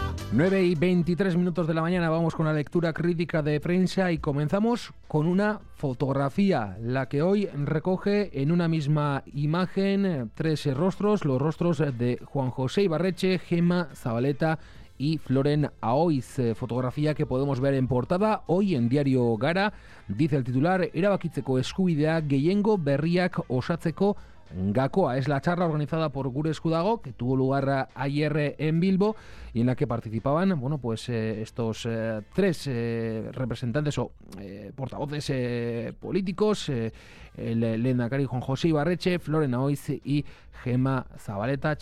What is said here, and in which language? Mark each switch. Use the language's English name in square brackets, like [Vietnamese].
[Spanish] 9 y 23 minutos de la mañana, vamos con la lectura crítica de prensa y comenzamos con una fotografía, la que hoy recoge en una misma imagen tres rostros, los rostros de Juan José Ibarretxe, Gemma Zabaleta y Floren Aoiz, fotografía que podemos ver en portada hoy en Diario Gara. Dice el titular: [Basque] erabakitzeko eskubidea gehiengo berriak osatzeko gakoa. [Spanish] Es la charla organizada por Gure Esku Dago, que tuvo lugar ayer en Bilbo, y en la que participaban, bueno, pues estos tres representantes o portavoces políticos: el lehendakari Juan José Ibarretxe, Floren Aoiz y Gemma Zabaleta.